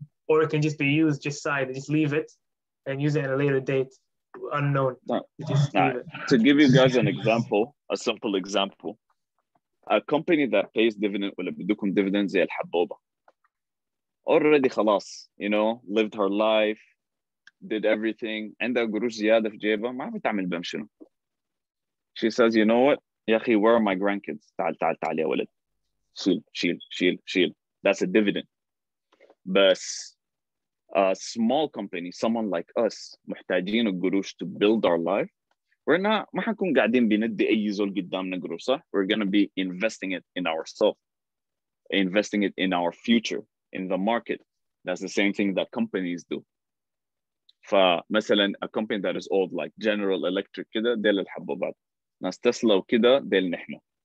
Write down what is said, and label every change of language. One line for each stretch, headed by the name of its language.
English: Or it can just be used, just side, just leave it and use it at a later date, unknown. To give you guys an example, a simple example. A company that pays dividend will give you dividends like Haboba. Already,
Arabic: خلاص,
English: you know, lived her life, did everything.
Arabic: عندها قروش زيادة في جيبها ما عم تعمل بهم شنو.
English: She says, you know what,
Arabic: يا أخي,
English: where are my grandkids?
Arabic: تعال تعال تعال يا ولد. Shil.
English: That's a dividend. But a small company, someone like us,
Arabic: محتاجين القروش
English: to build our life. We're not,
Arabic: ما حنكون قاعدين بندي أي زول قدامنا قروصة.
English: We're going to be investing it in ourselves, investing it in our future, in the market. That's the same thing that companies do.
Arabic: فمثلا,
English: a company that is old, like General Electric,
Arabic: كده, ديل الحبوبات. ناس تسلا وكده, ديل نحنا.